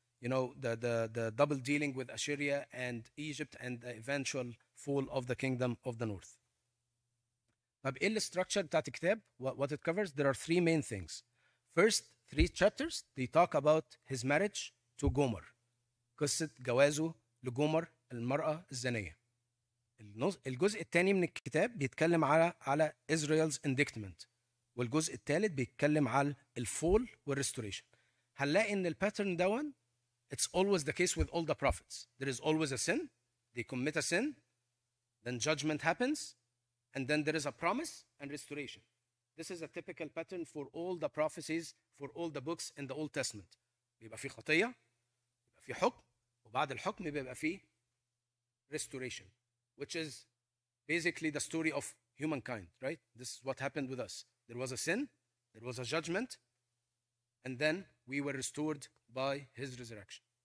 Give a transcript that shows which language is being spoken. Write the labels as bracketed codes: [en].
[en] you know, the double dealing with Assyria and Egypt and the eventual fall of the kingdom of the north. [ar] طب ايه الاستراكشر بتاعت الكتاب؟ [en] What it covers, there are three main things. First, three chapters, they talk about his marriage to Gomer. [ar] قصة جوازه لجومر المرأة الزانية. الجزء الثاني من الكتاب بيتكلم على [en] Israel's indictment. [ar] والجزء الثالث بيتكلم على الفول والريستوريشن. هنلاقي ان الباترن داون [en] it's always the case with all the prophets. There is always a sin. They commit a sin. Then judgment happens. And then there is a promise and restoration. This is a typical pattern for all the prophecies, for all the books in the Old Testament. [ar] بيبقى في خطية, بيبقى في حكم, وبعد الحكم بيبقى في [en] restoration, which is basically the story of humankind, right? This is what happened with us. There was a sin, there was a judgment, and then we were restored by his resurrection.